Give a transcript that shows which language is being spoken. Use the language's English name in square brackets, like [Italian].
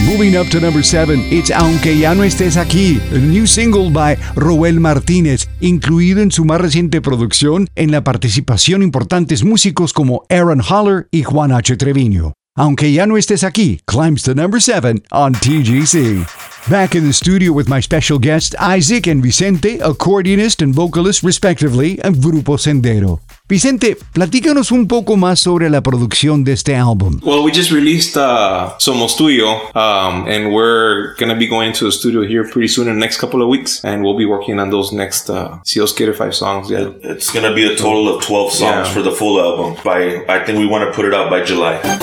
[English] Moving up to number 7, it's Aunque Ya No Estés Aquí, a new single by Roel Martínez, [Spanish] incluido en su más reciente producción, en la participación importantes músicos como Aaron Haller y Juan H. [English] Treviño. Aunque Ya No Estés Aquí climbs to number 7 on TGC. Back in the studio with my special guests, Isaac and Vicente, accordionist and vocalist, respectively, of Grupo Sendero. [Spanish] Vicente, platícanos un poco más sobre la producción de este álbum. [English] Well, we just released Somos Tuyo, and we're going to be going to the studio here pretty soon in the next couple of weeks, and we'll be working on those next, [Spanish] si os quiere, [English] 5 songs. Yeah. It's going to be a total of 12 songs for the full album. I think we want to put it out by July.